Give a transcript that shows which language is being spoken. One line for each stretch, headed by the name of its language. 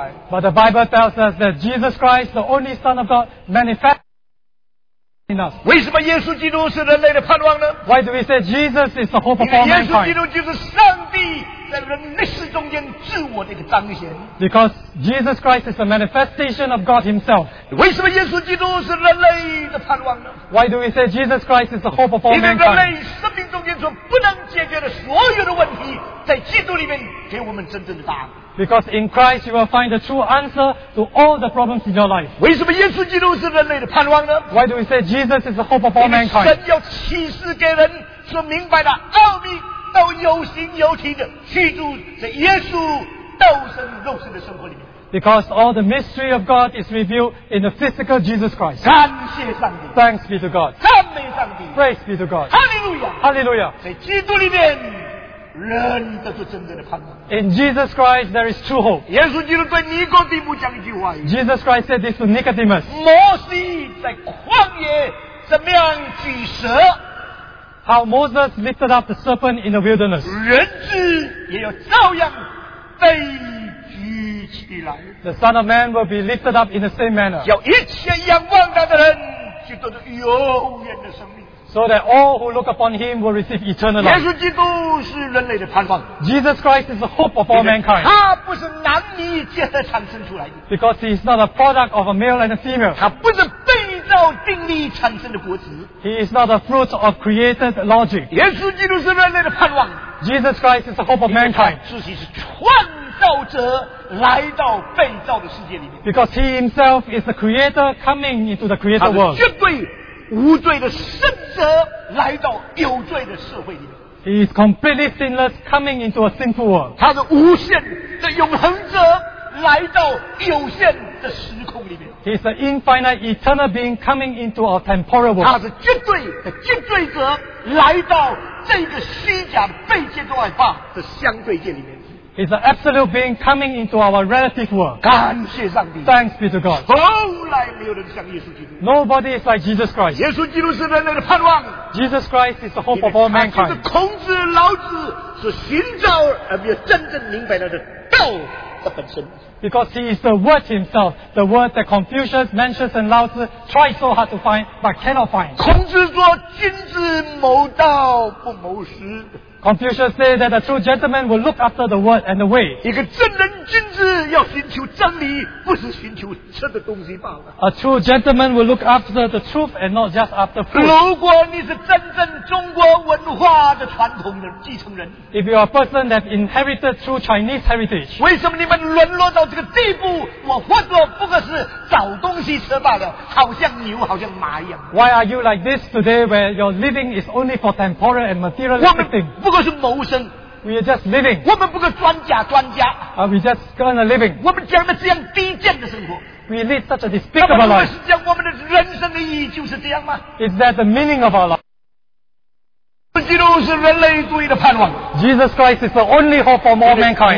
English: But the Bible tells us that Jesus Christ, the only Son of God, manifested in us.
Chinese: 为什么耶稣基督是人类的盼望呢？
English: Why do we say Jesus is the hope of all mankind?
Chinese: 耶稣基督就是上帝在人历史中间自我的一个彰显。
English: Because Jesus Christ is the manifestation of God Himself.
Chinese: 为什么耶稣基督是人类的盼望呢？
English: Why do we say Jesus Christ is the hope of all mankind?
Chinese: 因为人类生命中间所不能解决的所有的问题，在基督里面给我们真正的答案。
English: Because in Christ you will find the true answer to all the problems in your life.
Chinese: 为什么耶稣基督是人类的盼望呢？
English: Why do we say Jesus is the hope of all mankind?
Chinese: 神要启示给人所明白的奥秘，都有形有体的居住在耶稣道生肉身的生活里面。
English: Because all the mystery of God is revealed in the physical Jesus Christ.
Chinese: 感谢上帝。
English: Thanks be to God.
Chinese: 赞美上帝。
English: Praise be to God. Hallelujah. Hallelujah.
Chinese: 在基督里面。人得到真正的盼望。
English: In Jesus Christ, there is true hope.
Chinese: 耶稣基督对尼哥底母讲一句话。
English: Jesus Christ said this to Nicodemus.
Chinese: 摩西在旷野怎么样举蛇？
English: How Moses lifted up the serpent in the wilderness.
Chinese: 人子也要照样被举起来。
English: The Son of Man will be lifted up in the same manner.
Chinese: 叫一切仰望他的人就得到永远的生命。
English: So that all who look upon him will receive eternal life.
Chinese: 耶稣基督是人类的盼望。
English: Jesus Christ is the hope of all mankind.
Chinese: 他不是男女结合产生出来的。
English: Because he is not a product of a male and a female.
Chinese: 他不是被造定力产生的果子。
English: He is not a fruit of created logic.
Chinese: 耶稣基督是人类的盼望。
English: Jesus Christ is the hope of mankind.
Chinese: 自己是创造者来到被造的世界里面。
English: Because he himself is the creator coming into the created world.
Chinese: 绝对无罪的圣者来到有罪的社会里面。
English: He is completely sinless coming into a sinful world.
Chinese: 他是无限的永恒者来到有限的时空里面。
English: He is an infinite eternal being coming into a temporal world.
Chinese: 他是绝对的绝对者来到这个虚假被接受爱爸的相对界里面。
English: He is an absolute being coming into our relative world.
Chinese: 感谢上帝。
English: Thanks be to God.
Chinese: 从来没有人像耶稣基督。
English: Nobody is like Jesus Christ.
Chinese: 耶稣基督是人类的盼望。
English: Jesus Christ is the hope of all mankind.
Chinese: 就是孔子、老子所寻找而没有真正明白他的道的本身。
English: Because he is the word himself, the word that Confucius, Mencius, and Lao Tzu tried so hard to find but cannot find.
Chinese: 孔子说：“君子谋道不谋食。”
English: Confucius said that a true gentleman will look after the word and the way.
Chinese: 一个真人君子要寻求真理，不是寻求吃的东西罢了。
English: A true gentleman will look after the truth and not just after food.
Chinese: 如果你是真正中国文化的传统的继承人，
English: If you are a person that inherited true Chinese heritage,
Chinese: 为什么你们沦落到这个地步，我或者不过是找东西吃罢了，好像牛好像马一样。
English: Why are you like this today where your living is only for temporal and material living?
Chinese: 不过是谋生。
English: We are just living.
Chinese: 我们不过专家专家。
English: We just earn a living.
Chinese: 我们讲的这样低贱的生活。
English: We lead such a despicable life.
Chinese: 那么如果是这样，我们的人生的意义就是这样吗？
English: Is that the meaning of our life?
Chinese: 耶稣基督是人类唯一的盼望。
English: Jesus Christ is the only hope for all mankind.